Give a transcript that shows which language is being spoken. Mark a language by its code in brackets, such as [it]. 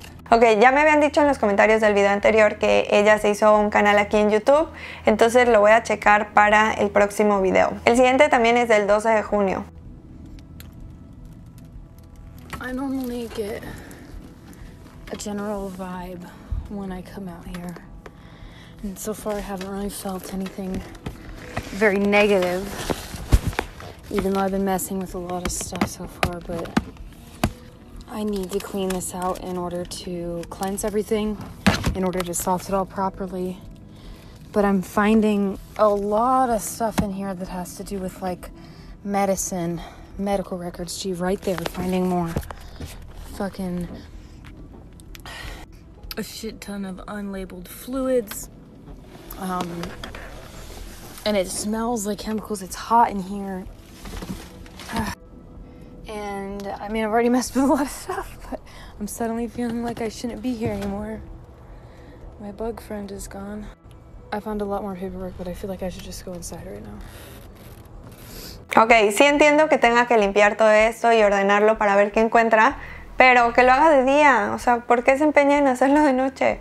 [es] Ok, ya me habían dicho en los comentarios del video anterior que ella se hizo un canal aquí en YouTube, entonces lo voy a checar para el próximo video. El siguiente también es del 12 de junio. [en] I normally get a general vibe when I come out here, and so far I haven't really felt anything very negative, even though I've been messing with a lot of stuff so far, but I need to clean this out in order to cleanse everything, in order to salt it all properly. But I'm finding a lot of stuff in here that has to do with like medicine, medical records. Gee, right there, finding more. Fucking a shit ton of unlabeled fluids. And it smells like chemicals. It's hot in here. And I mean, I've already messed with a lot of stuff, but I'm suddenly feeling like I shouldn't be here anymore. My bug friend is gone. I found a lot more paperwork, but I feel like I should just go inside right now. [es] Okay, sí entiendo que tenga que limpiar todo esto y ordenarlo para ver qué encuentra, pero que lo haga de día. O sea, ¿por qué se empeña en hacerlo de noche?